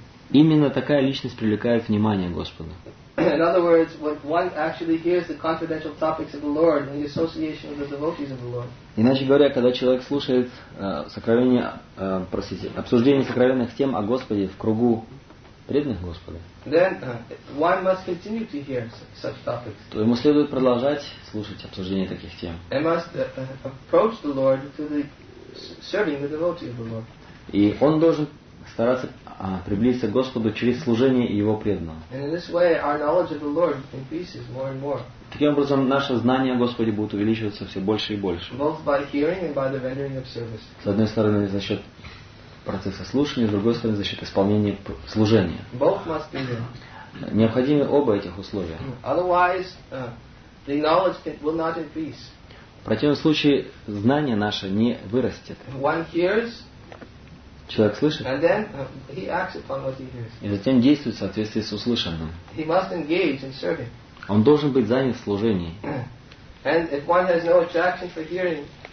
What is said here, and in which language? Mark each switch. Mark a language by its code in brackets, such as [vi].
[ru] Именно такая личность привлекает внимание Господа. [en] In other words, when one actually hears the confidential topics of the Lord and the association of the devotees of the Lord. [ru] Иначе говоря, когда человек слушает сокровение, простите, обсуждение сокровенных тем о Господе в кругу преданных Господа. [en] Then one must continue to hear such topics. [ru] То ему следует продолжать слушать обсуждение таких тем. [en] And must approach the Lord to the serving the devotees of the Lord. [ru] И он должен стараться приблизиться к Господу через служение Его преданного. [en] And in this way, our knowledge of the Lord increases more and more. [ru] Таким образом, наше знание о Господе будет увеличиваться все больше и больше. [en] Both by hearing and by the rendering of service. [ru] С одной стороны, за счет процесса слушания, с другой стороны, за счет исполнения служения. [en] Both must be there. [ru] Необходимы оба этих условия. [en] Otherwise, the knowledge will not increase. [ru] В противном случае, знание наше не вырастет. [en] One hears, [ru] человек слышит, [en] and then he acts upon what he hears. [ru] И затем действует в соответствии с услышанным. [en] He must engage in serving. [ru] Он должен быть занят в служении. [en] And if one has no attraction for hearing,